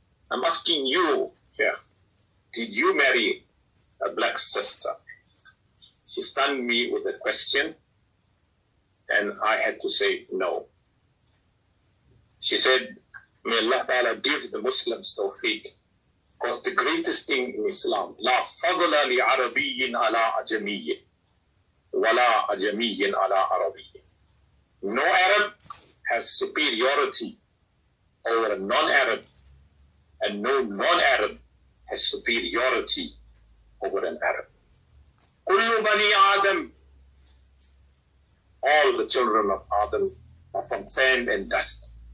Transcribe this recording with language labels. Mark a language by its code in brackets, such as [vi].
[en] I'm asking you, Sheikh, did you marry a black sister? She stunned me with a question, and I had to say no. She said, may Allah Ta'ala give the Muslims tawfiq. Was the greatest thing in Islam. [ar] لا فضل لعربي على عجمي ولا عجمي على عربي. [en] No Arab has superiority over a non-Arab, and no non-Arab has superiority over an Arab. [ar] كل بني آدم, [en] all the children of Adam are from sand and dust.